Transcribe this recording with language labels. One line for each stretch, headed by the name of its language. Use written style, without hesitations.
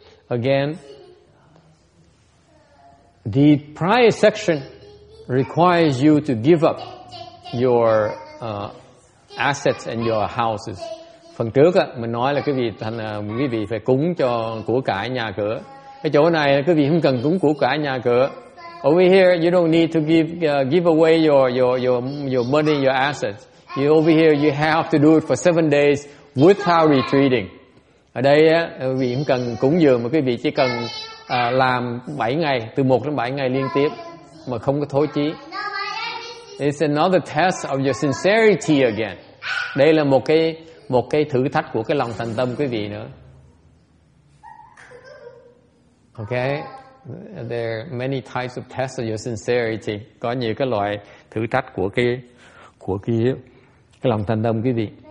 English: Again, the prior section requires you to give up your assets and your houses.
Vietnamese: Phần trước á, mình nói là quý vị phải cúng cho của cải nhà cửa. Cái chỗ này quý vị không cần cúng của cải nhà cửa.
English: Over here, you don't need to give away your money, your assets. You over here, you have to do it for 7 days without retreating.
Vietnamese: Ở đây á, quý vị không cần cúng dường, mà quý vị chỉ cần làm 7 ngày, từ 1 đến 7 ngày liên tiếp, mà không có thối chí.
English: It's another test of your sincerity again.
Vietnamese: Đây là một cái thử thách của cái lòng thành tâm quý vị nữa.
English: Okay, there are many types of tests of your sincerity.
Vietnamese: Có nhiều cái loại thử thách của cái lòng thành tâm quý vị.